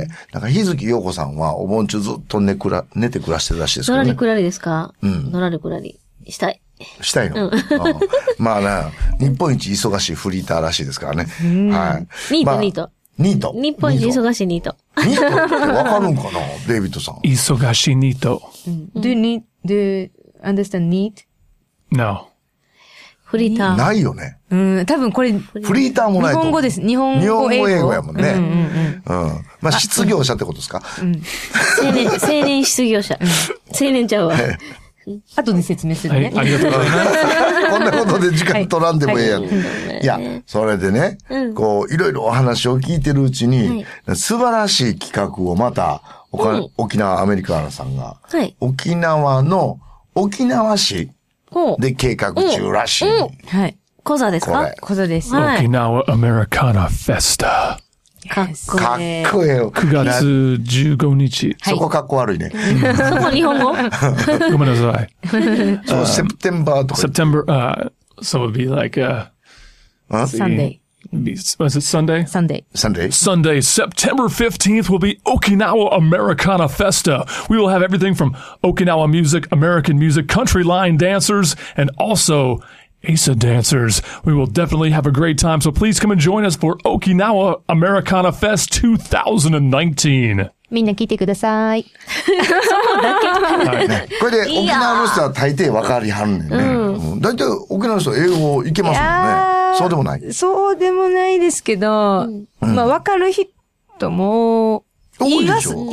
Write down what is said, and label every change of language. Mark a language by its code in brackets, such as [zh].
[ja] はい、なんか、日月陽子さんは、お盆中ずっと寝て暮らしてるらしいですけどね。のらりくらりですか？うん。のらりくらり。したい。したいの、うん、まあな、日本一忙しいフリーターらしいですからね。はい。ニート、まあ、ニート。ニート。日本一忙しいニート。ニートってわかるんかな？デイビッドさん。忙しいニート。 [en] Do you need, do you understand need? No. [ja] フリーター。ないよね。うん。多分これ、フリーターもないと思う。日本語です。日本語英語やもんね。うん。まあ、失業者ってことですか？うん。青年失業者。青年ちゃうわ。あとで説明するね、はい。ありがとうございます。こんなことで時間取らんでもええやん、はいはい。いや、それでね、うん、こう、いろいろお話を聞いてるうちに、はい、素晴らしい企画をまた、沖縄アメリカーナさんが、はい、沖縄の、沖縄市、で、計画中らしい。うんうん、はい。コザですか？コザです。はい。沖縄アメリカナフェスタ。かっこいい。かっこいいよ。 9月15日。そこかっこ悪いね。はい、そこ日本語？ごめんなさい。そう、セプテンバーとか。 [en] セプテンバー、so it'd be like, Sunday. Was it Sunday? Sunday, September 15th will be Okinawa Americana Festa. We will have everything from Okinawa music, American music, country line dancers, and also Asa dancers. We will definitely have a great time, so please come and join us for Okinawa Americana Fest 2019. [ja] みんな聞いてください。そこだけ、ね、これで沖縄の人は大抵分かりはんねんね。大体、うん、沖縄の人は英語いけますもんね。そうでもない。そうでもないですけど、うん、まあ分かる人も、言います